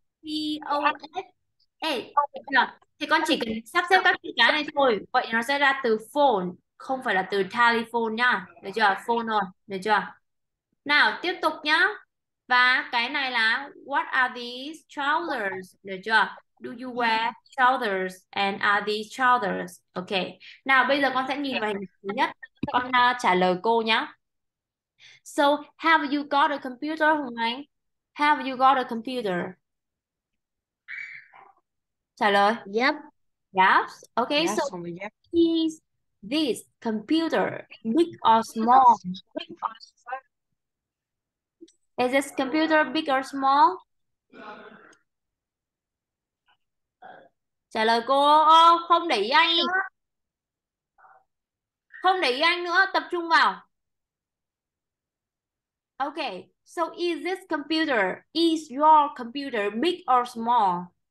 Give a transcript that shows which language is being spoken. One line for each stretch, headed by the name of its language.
Vietnamese: E, O, S, A. Được chưa? Thì con chỉ cần sắp xếp các chữ cái này thôi, vậy nó sẽ ra từ phone, không phải là từ telephone nhá, được chưa? Phone thôi, được chưa? Nào, tiếp tục nhá. Và cái này là
English: what are these trousers,
Vietnamese: được chưa?
English: Do you wear trousers and are these trousers? Ok.
Vietnamese: Nào, bây giờ con sẽ nhìn vào hình thứ nhất. Con trả lời cô nhá.
English: So, have you got a computer, Hoàng Anh? Have you got a computer?
Vietnamese: Trả lời.
English: Yep. Yes. Okay, so Yes, is this computer big or small? yep. Is this computer big or small?
Vietnamese: Trả lời cô. Oh, không để ý anh nữa. Không để ý anh nữa, tập trung vào.
English: Okay, so is this computer, is your computer big or small?